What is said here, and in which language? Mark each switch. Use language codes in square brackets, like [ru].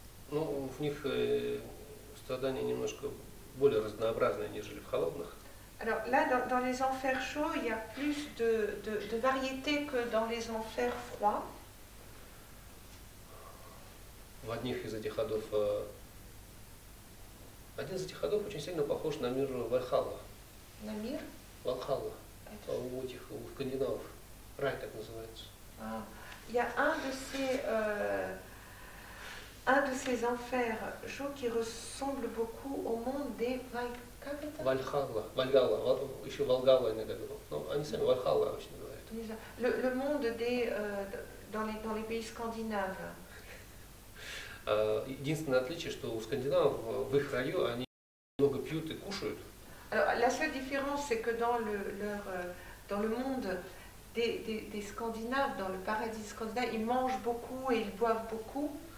[ru] Ну, в них страдания немножко более разнообразные, нежели в холодных. [fr] Alors là, dans les enfers chauds, il y a plus de variété que dans les enfers froids. [ru] в одних из этих ходов, один из этих ходов очень сильно похож на мир Вальхалла. На мир? Вальхалла. Это... У этих, у скандинавов. Рай так называется. [fr] Il y a un de ces enfers, Jo, qui ressemble beaucoup au monde des Valhalla. [ru] Valhalla, еще Valhalla, не так. Ну, они сами Valhalla обычно говорят. [fr] Le monde des, dans les pays scandinaves. [ru] Единственное отличие, что у скандинавов в их раю они много пьют и кушают. [fr] Alors, la seule différence, c'est que dans le, leur, dans le monde des Scandinaves, dans le paradis scandinave, ils mangent beaucoup et ils boivent beaucoup.